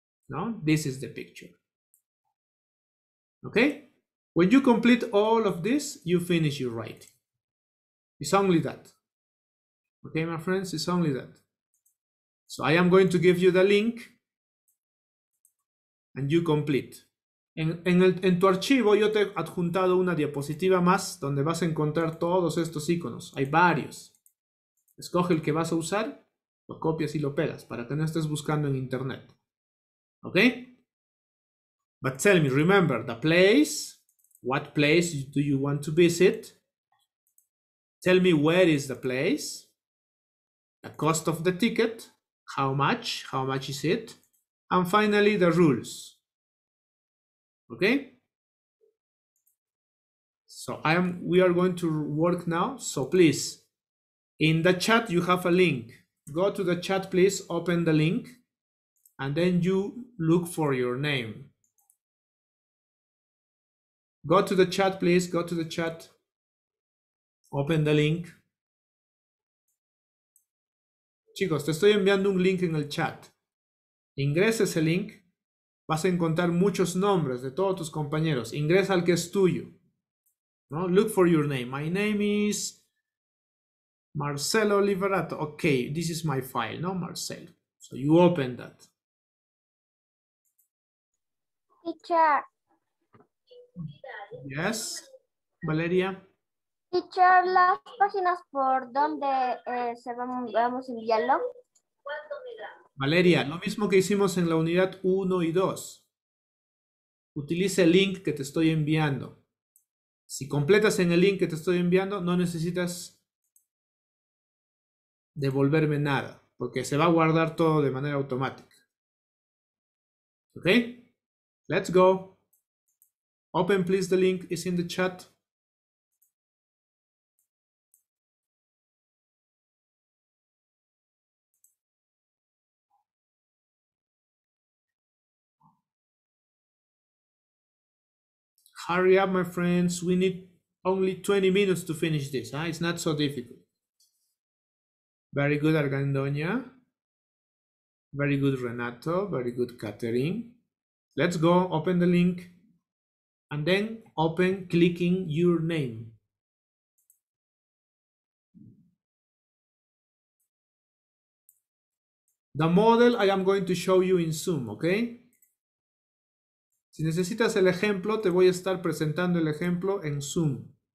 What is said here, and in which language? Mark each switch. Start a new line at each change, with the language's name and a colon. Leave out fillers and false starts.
English: No, this is the picture. Okay? When you complete all of this, you finish your writing. It's only that. Okay, my friends, it's only that. So I am going to give you the link. And you complete.
Spanish: En tu archivo yo te he adjuntado una diapositiva más donde vas a encontrar todos estos iconos. Hay varios. Escoge el que vas a usar, lo copias y lo pegas para que no estés buscando en internet.
English: ¿Ok? But tell me, remember the place. What place do you want to visit? Tell me where is the place. The cost of the ticket. How much? How much is it? And finally, the rules. Okay, so we are going to work now. So please, in the chat, you have a link. Go to the chat, please, open the link, and then you look for your name. Go to the chat, please, go to the chat, open the link.
Spanish: Chicos, te estoy enviando un link en el chat. Ingresa ese link. Vas a encontrar muchos nombres de todos tus compañeros. Ingresa al que es tuyo. ¿No?
English: Look for your name. My name is Marcelo Liberato. Okay, this is my file, no Marcelo. So you open that. Teacher. Yes, Valeria.
Spanish: Teacher, las páginas por donde se vamos a enviarlo. Valeria, lo mismo que hicimos en la unidad 1 y 2. Utilice el link que te estoy enviando. Si completas en el link que te estoy enviando, no necesitas devolverme nada, porque se va a guardar todo de manera automática.
English: ¿Ok? Let's go. Open, please, the link is in the chat. Hurry up, my friends. We need only 20 minutes to finish this. Huh? It's not so difficult. Very good, Argandoña. Very good, Renato. Very good, Catherine. Let's go. Open the link. And then open clicking your name. The model I am going to show you in Zoom, okay?
Spanish: Si necesitas el ejemplo, te voy a estar presentando el ejemplo en Zoom.